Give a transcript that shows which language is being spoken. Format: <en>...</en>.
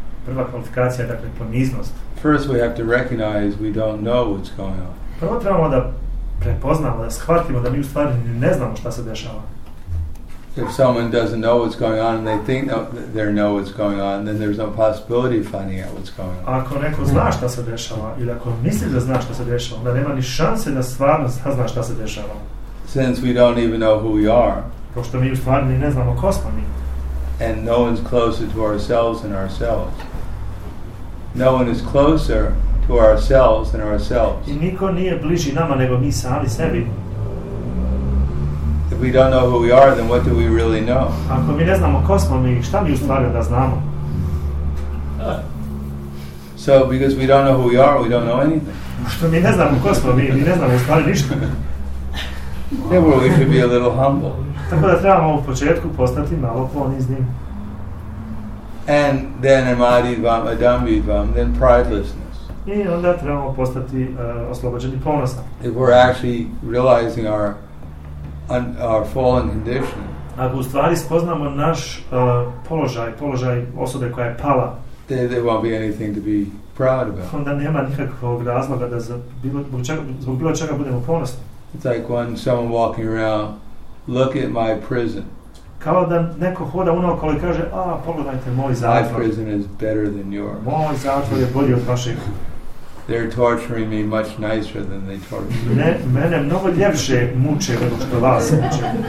<bs>Prva kvalifikacija je dakle poniznost.</bs> <en>First we have to recognize we don't know what's going on.</en> <bs>Prvo trebamo da prepoznamo, da shvatimo da mi u stvari ne znamo šta se dešava.</bs> <en>If someone doesn't know what's going on and they think they know what's going on, then there's no possibility of finding out what's going on.</en> <bs>Ako neko zna šta se dešava ili ako misli da zna šta se dešava, onda nema ni šanse da stvarno zna šta se dešava.</bs> <en>Since we don't even know who we are.</en> <bs>Pošto mi u stvari ne znamo ko smo mi.</bs> <en>And no one's closer to ourselves than ourselves. No one is closer to ourselves than ourselves.</en> <bs>I niko nije bliži nama nego mi sami sebi.</bs> <en>If we don't know who we are, then what do we really know?</en> <bs>Ako mi ne znamo ko smo mi, šta mi u stvari da znamo?</bs> <en>So because we don't know who we are, we don't know anything.</en> <bs>Što mi ne znamo ko smo mi ne znamo u stvari ništa.</bs> <en>Therefore, we should be a little humble.</en> <bs>Tako da trebamo u početku postati malo ponizni.</bs> <en>And then amadi vam, adambi vam, then pridelessness.</en> <bs>I onda trebamo postati oslobođeni ponosa.</bs> <en>If we're actually realizing our fallen condition.</en> <bs>Ako u stvari spoznamo naš položaj osobe koja je pala.</bs> <en>There won't be anything to be proud about.</en> <bs>Onda nema nikakvog razloga da zbog bilo čega budemo ponosni.</bs> <en>It's like when someone walking around, look at my prison.</en> <bs>Kao da neko hoda unokolo i kaže, a pogledajte moj zatvor.</bs> <en>My prison is better than yours.</en> <bs>Moj zatvor je bolji od vašeg.</bs> <en>They're torturing me much nicer than they torture me.</en> <bs>Ne, mene mnogo ljepše muče nego što vas muče.</bs>